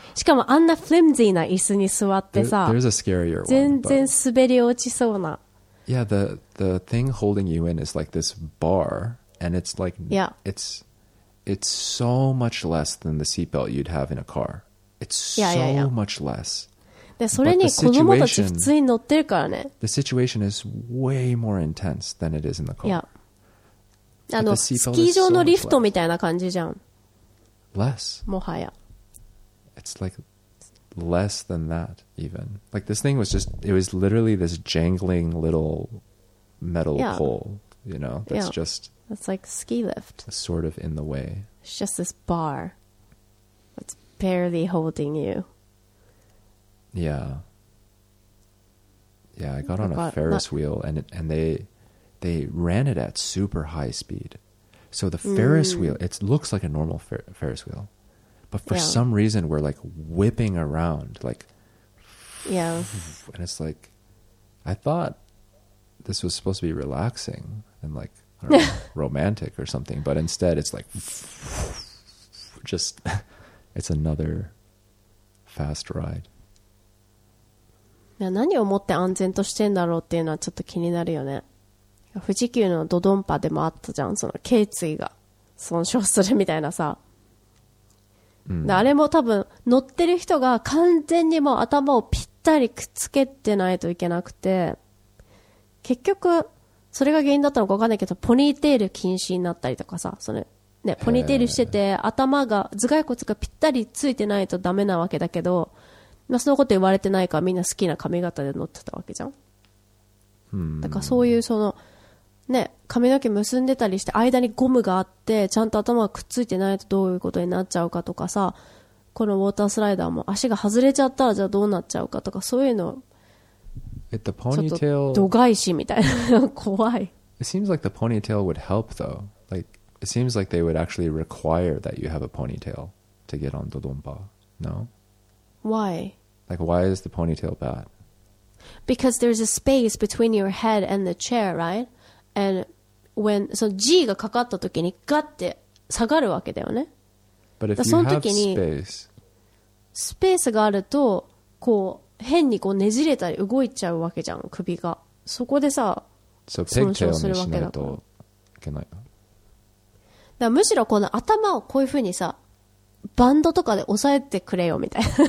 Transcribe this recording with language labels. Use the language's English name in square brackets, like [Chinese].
[Japanese] しかもあんな flimsy な椅子に座ってさ、 [English] there's a scarier one, [Japanese] 全然滑り落ちそうな。 [English] Yeah, the thing holding you in is like this bar, and it's like, yeah, it's so much less than the seatbelt you'd have in a car. It's so much less. [Japanese] でそれに子供たち普通に乗ってるからね。 [English] The situation is way more intense than it is in the car. Yeah. [Japanese] あのスキー場のリフトみたいな感じじゃん。 [English] Less. [Japanese] もはや。 [English] It's like less than that, even. Like this thing was just, it was literally this jangling little metal pole, you know? That's just... That's like ski lift. Sort of in the way. It's just this bar. It's barely holding you. Yeah. Yeah, I got on a Ferris wheel and they ran it at super high speed. So the Ferris wheel, it looks like a normal Ferris wheel. But for some reason, we're like whipping around, like, and it's like, I thought this was supposed to be relaxing and like, I don't know, romantic or something. But instead, it's like, just, it's another fast ride. [Japanese] Yeah, 何を持って安全としてんだろうっていうのはちょっと気になるよね。富士急のドドンパでもあったじゃん。その頸椎が損傷するみたいなさ。あれも多分乗ってる人が完全にもう頭をぴったりくっつけてないといけなくて、結局それが原因だったのか分かんないけど、ポニーテール禁止になったりとかさ、そのね、ポニーテールしてて頭が頭蓋骨がぴったりついてないとダメなわけだけど、まあ、そのこと言われてないからみんな好きな髪型で乗ってたわけじゃん。だからそういうそのね、髪の毛結んでたりして間にゴムがあってちゃんと頭がくっついてないとどういうことになっちゃうかとかさ、このウォータースライダーも足が外れちゃったらじゃあどうなっちゃうかとか、そういうのちょっと度外視みたいな怖い。 [English] It seems like the ponytail would help though. Like, it seems like they would actually require that you have a ponytail to get on Dodonpa. No? Why? Like, why is the ponytail bad? Because there's a space between your head and the chair, right? And when so [Japanese] G がかかった時にガッて下がるわけだよね。 [English] But if you [Japanese] その時に [English] have space, [Japanese] スペースがあるとこう変にこうねじれたり動いちゃうわけじゃん、首が。そこでさ、 so、損傷するわけだから。いけない。だからむしろこの頭をこういうふうにさ、バンドとかで押さえてくれよみたいな。